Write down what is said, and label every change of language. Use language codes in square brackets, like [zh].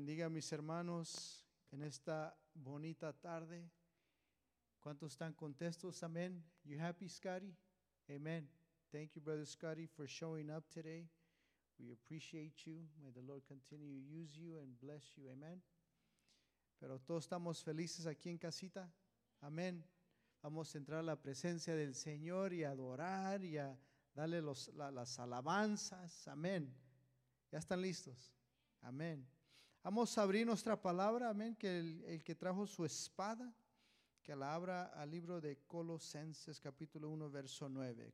[es] Mis hermanos, en esta bonita tarde, ¿cuántos están contentos? [en] Amen. You happy, Scotty? Amen. Thank you, Brother Scotty, for showing up today. We appreciate you. May the Lord continue to use you and bless you. [es] Amen. Pero todos estamos felices aquí en casita. Amen. Vamos a entrar a la presencia del Señor y a adorar y a darle las alabanzas. Amen. ¿Ya están listos? Amen. Vamos a abrir nuestra palabra, amén, que el que trajo su espada, que la abra al libro de Colosenses, capítulo 1, verso 9.